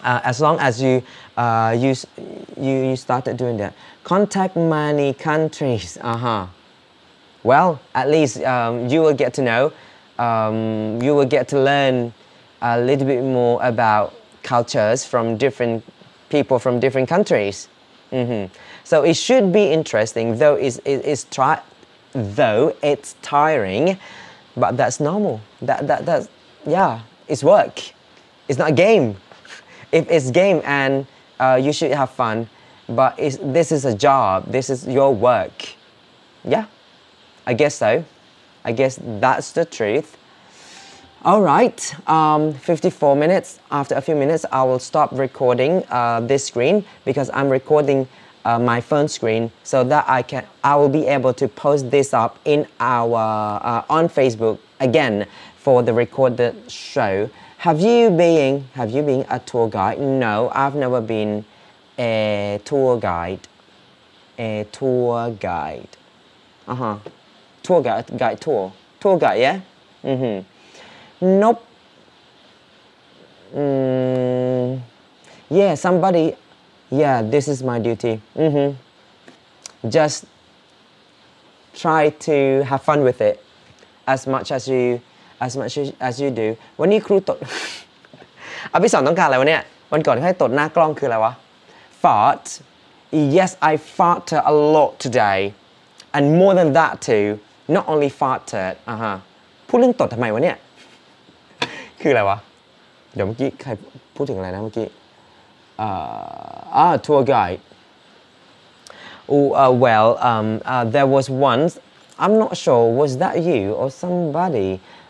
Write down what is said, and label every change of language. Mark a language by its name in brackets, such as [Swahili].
[English] as long as you started doing that contact many countries well at least you will get to know you will get to learn a little bit more about cultures from different people from different countriesSo it should be interesting, though it's tiring, but that's normal. That's, yeah, it's work. It's not a game. If it's game and you should have fun, but this is a job. This is your work. Yeah, I guess so. I guess that's the truth. All right. 54 minutes. After a few minutes, I will stop recording this screen because I'm recording my phone screen so that I will be able to post this up in our on Facebook again for the recorded show. Have you been a tour guide? No, I've never been a tour guide. Tour guide, yeah? Mm-hmm. Nope. Yeah, this is my duty. Mm-hmm. Just try to have fun with it as much as you do. [Thai] วันนี้ครูตดอภิสรต้องการอะไรวะเนี่ยวันก่อนให้ตดหน้ากล้องคืออะไรวะ Fart. [English] Yes, I farted a lot today. And more than that too. Not only farted. Uh-huh. [Thai] พูดเรื่องตดทำไมวะเนี่ยคืออะไรวะเดี๋ยวเมื่อกี้ใครพูดถึงอะไรนะเมื่อกี้tour guide. [English] There was once, I'm not sure, was that you or somebody?